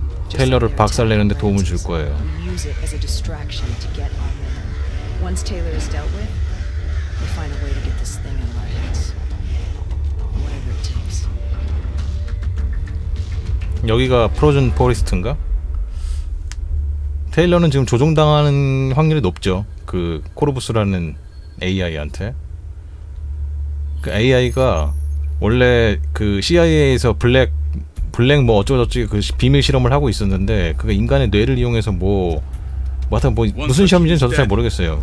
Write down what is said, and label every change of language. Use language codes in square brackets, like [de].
[ko] 테일러를 박살내는데 도움을 줄 거예요. [en] Use it as a distraction to get on them. Once Taylor is dealt with, we'll find a way to get this thing out of our hands. Whatever it takes. [ko] 여기가 프로즌 포레스트인가? 테일러는 지금 조종당하는 확률이 높죠. 그 코르부스라는 AI한테. 그 AI가 원래 그 CIA에서 블랙 뭐 어쩌고저쩌고 그 비밀 실험을 하고 있었는데 그게 인간의 뇌를 이용해서 뭐 무슨 실험인지는 저도 잘 모르겠어요.